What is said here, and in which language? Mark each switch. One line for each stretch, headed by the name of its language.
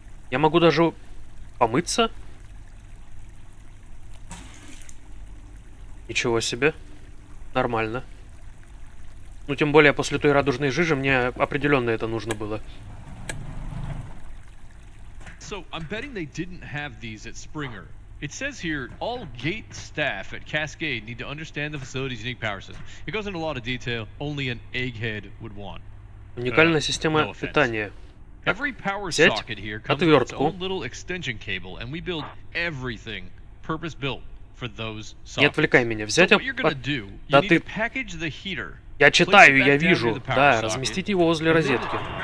Russian: Я могу даже помыться? Ничего себе. Нормально. Ну, тем более, после той радужной жижи мне определенно это нужно было.
English: So I'm betting they didn't have these at Springer. It says here all gate staff at Cascade need to understand the facility's unique power system. It goes into a lot of detail only an egghead would want.
Russian: Уникальная система питания.
English: Every power socket here comes with its own little extension cable, and we build everything purpose built for those sockets.
Russian: Не отвлекай меня. Взять об...
English: So what you're gonna do, да
Russian: ты... Я читаю, я вижу. Да, разместить его возле розетки.